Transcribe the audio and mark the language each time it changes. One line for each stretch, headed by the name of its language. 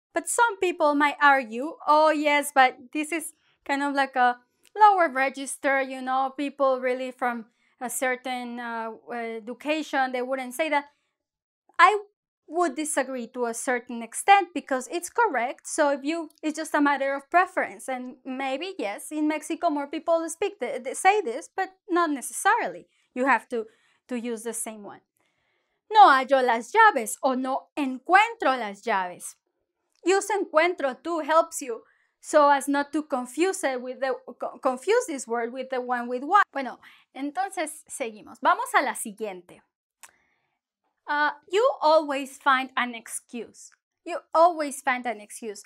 English: But some people might argue, oh yes, but this is kind of like a lower register, you know, people really from a certain education, they wouldn't say that. I would disagree to a certain extent because it's correct. So if you, it's just a matter of preference. And maybe, yes, in Mexico, more people speak, they say this, but not necessarily. You have to use the same one.
Spanish: No hallo las llaves o no encuentro las llaves.
English: Use encuentro too helps you so as not to confuse it with the confuse this word with the one with what.
Spanish: Bueno, entonces seguimos. Vamos a la siguiente.
English: You always find an excuse. You always find an excuse.